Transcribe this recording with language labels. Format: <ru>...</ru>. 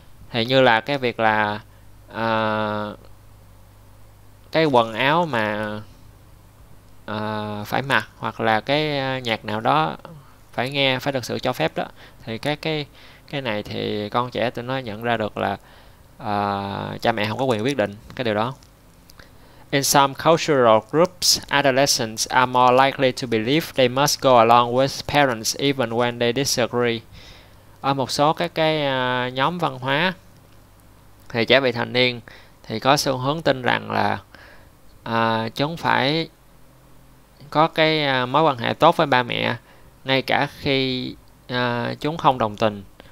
<vi>Thì như là cái việc là cái quần áo mà phải mặc hoặc là cái nhạc nào đó phải nghe, phải được sự cho phép đó. Thì cái này thì con trẻ tụi nó nhận ra được là cha mẹ không có quyền quyết định cái điều đó.</vi> <en>In some cultural groups, adolescents are more likely to believe they must go along with parents even when they disagree.</en> <vi>Ở một số các cái nhóm văn hóa thì trẻ vị thành niên thì có xu hướng tin rằng là chúng phải có cái mối quan hệ tốt với ba mẹ ngay cả khi chúng không đồng tình.</vi>